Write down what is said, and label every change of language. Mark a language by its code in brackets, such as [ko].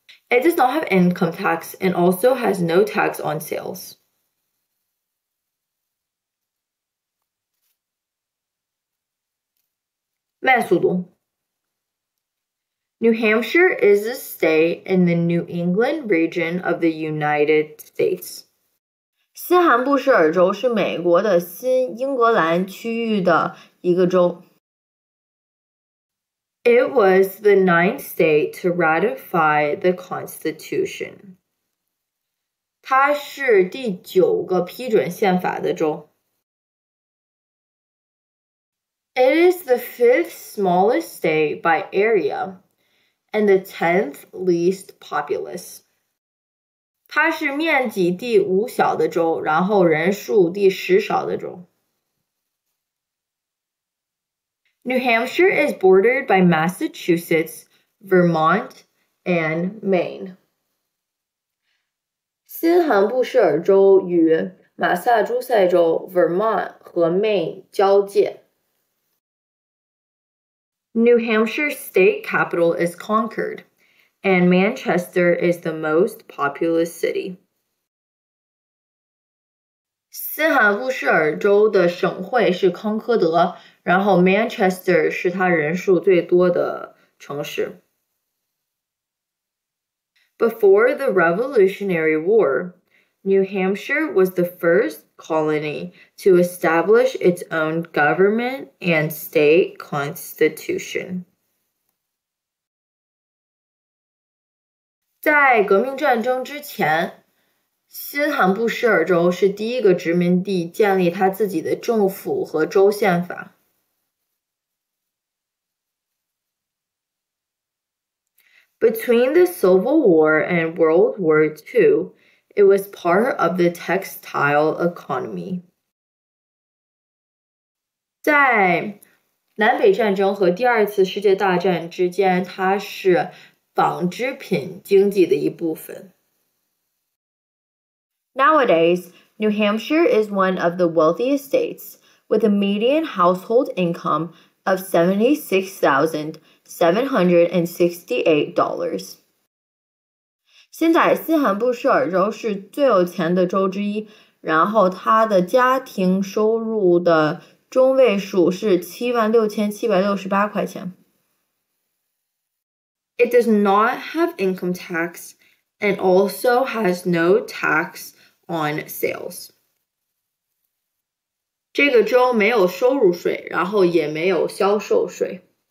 [en] It does not have income tax and also has no tax on sales. New Hampshire is a state in the New England region of the United States. [zh] 新罕布什尔州是美国的新英格兰区域的一个州。 [en] It was the 9th state to ratify the Constitution. [zh] 它是第九个批准宪法的州。 [en] It is the 5th smallest state by area and the 10th least populous. [zh] 它是面积第五小的州，然后人数第十少的州。 [en] New Hampshire is bordered by Massachusetts, Vermont, and Maine. [zh] 新罕布什尔州与马萨诸塞州、Vermont 和 Maine 交界。 [en] New Hampshire's state capital is Concord. And Manchester is the most populous city. [zh] 新罕布什尔州的省会是康科德，然后 Manchester 是它人数最多的城市。 [en] Before the Revolutionary War, New Hampshire was the first colony to establish its own government and state constitution. [zh] 在革命战争之前，新罕布什尔州是第一个殖民地建立他自己的政府和州宪法。 [en] Between the Civil War and World War II, it was part of the textile economy. [zh] 在南北战争和第二次世界大战之间，它是纺织品经济的一部分。 [en] Nowadays, New Hampshire is one of the wealthiest states, with a median household income of $76,768. [zh] 现在新罕布什尔州是最有钱的州之一，然后它的家庭收入的中位数是76,768块钱。 [en] It does not have income tax and also has no tax on sales. [zh] 这个州没有收入税，然后也没有销售税。